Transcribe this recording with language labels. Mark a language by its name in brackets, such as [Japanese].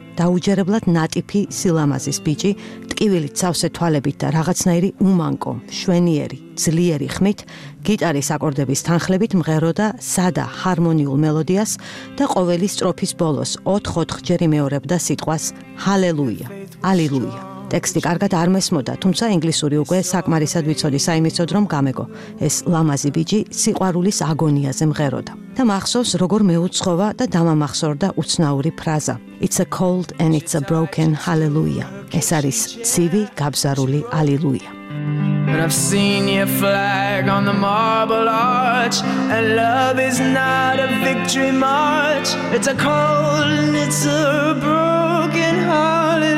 [Georgian] დაუჯერებლად ნატიფი სილამაზის ბიჭი, ტკივილი ცავსე თვალებით და რაღაცნაირი უმანკო, შვენიერი, ძლიერი ხმით, გიტარის აკორდების თანხლებით მღეროდა სადა ჰარმონიულ მელოდიას და ყოველი სტროფის ბოლოს 4-5 ჯერი მეორებდა სიტყვას ჰალელუია, ალილუია. ტექსტი კარგად არ მესმოდა, თუმცა ინგლისური უკვე საკმარისად ვიცოდი, საიმისოდ რომ გამეგო. ეს ლამაზი ბიჭი სიყვარულის აგონიაზე მღეროდა. და მახსოვს, როგორ მეუცხოვა და დამამახსოვრდა უცნაური ფრაზა. [English] It's a cold and it's a broken hallelujah. [Georgian] ეს არის ცივი, გაბზარული ალილუია. [English] But I've seen your flag on the marble arch and love is not a victory march. It's a cold and it's a broken hallelujah.